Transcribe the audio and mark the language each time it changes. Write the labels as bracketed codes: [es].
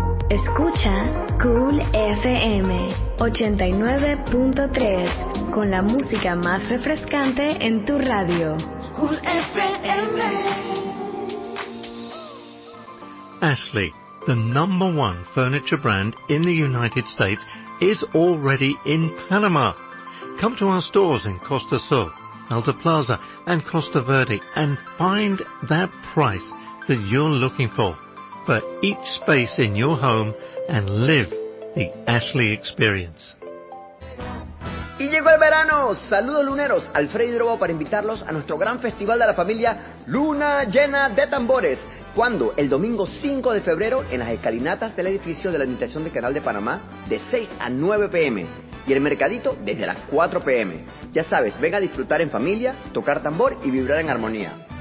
[es] FM 89.3, con la música más refrescante en tu radio. Cool FM. [en] Ashley, the number one furniture brand in the United States, is already in Panama. Come to our stores in Costa Sur, Alta Plaza, and Costa Verde and find that price that you're looking for each space in your home and live the Ashley experience. [es] Y llegó el verano. Saludos luneros, Alfredo Drobo para invitarlos a nuestro gran festival de la familia Luna Llena de Tambores. ¿Cuándo? El domingo 5 de febrero en las escalinatas del edificio de la Administración del Canal de Panamá de 6 a 9 p.m. y el mercadito desde las 4 p.m. Ya sabes, venga a disfrutar en familia, tocar tambor y vibrar en armonía.